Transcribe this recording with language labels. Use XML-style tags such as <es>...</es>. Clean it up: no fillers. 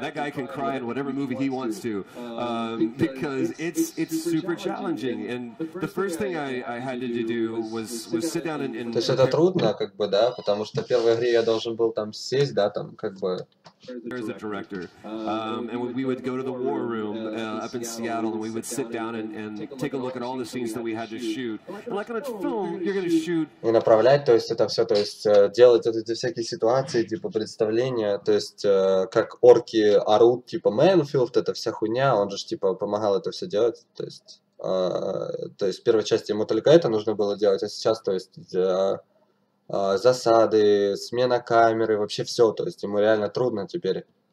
<en>That guy can cry in whatever movie he wants to, because it's super challenging. And the first thing I had to do was sit down and.</en> <ru>То есть это трудно, как бы, да, потому что в первой игре я должен был там сесть, да, там как бы.</ru> <en>There's a director, and we would go to the war room up in Seattle, and we would sit down and take a look at all the scenes that we had to shoot. And like on a film, you're gonna shoot.</en> <ru>И направлять, то есть это все, то есть делать вот эти всякие ситуации, типа представления, то есть как орки орут, типа Мэнфилд, это вся хуйня, он же типа помогал это все делать, то есть в первой части ему только это нужно было делать, а сейчас, то есть засады, смена камеры, вообще все, то есть ему реально трудно теперь.</ru>